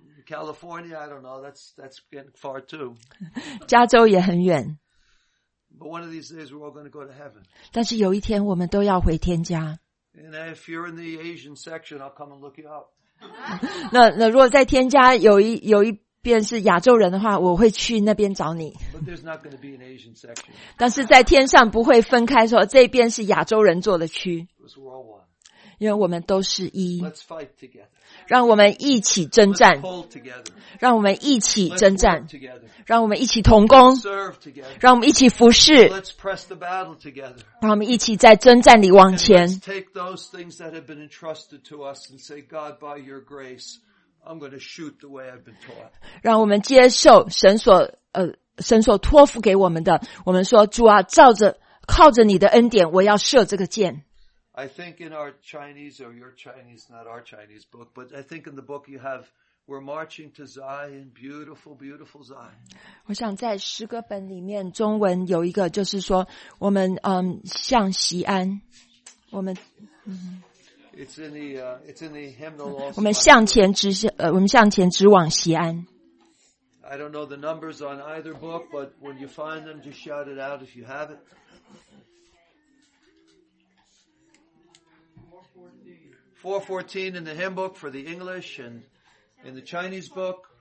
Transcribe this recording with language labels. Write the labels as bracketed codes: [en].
[en] California, I don't know, that's getting far too. [zh] 加州也很远。 [en] But one of these days we're all going to go to heaven. [zh] 但是有一天我们都要回天家。 [en] And if you're in the Asian section, I'll come and look you up. [zh] 那如果在天家有一边是亚洲人的话，我会去那边找你。 [en] But there's not going to be an Asian section. [zh] 但是在天上不会分开说这边是亚洲人坐的区。 [en] Because we're all one. [zh] 因为我们都是一。 [en] Let's fight together. [zh] 让我们一起征战。 [en] Let's pull together. [zh] 让我们一起征战。 [en] Let's work together. [zh] 让我们一起同工。 [en] Let's serve together. [zh] 让我们一起服侍。 [en] Let's press the battle together. [zh] 让我们一起在征战里往前。 [en] And let's take those things that have been entrusted to us and say, God, by your grace, I'm going to shoot the way I've been taught. [zh] 让我们接受神所托付给我们的，我们说主啊，照着靠着你的恩典，我要射这个箭。 [en] I think in our Chinese or your Chinese, not our Chinese book, but I think in the book you have, we're marching to Zion, beautiful, beautiful Zion. [zh] 我想在诗歌本里面中文有一个，就是说我们向锡安，我们。 [en] It's in the hymnal also. [zh] 我们向前直向，我们向前直往锡安。 [en] I don't know the numbers on either book, but when you find them, just shout it out if you have it. 414 in the hymn book for the English and in the Chinese book.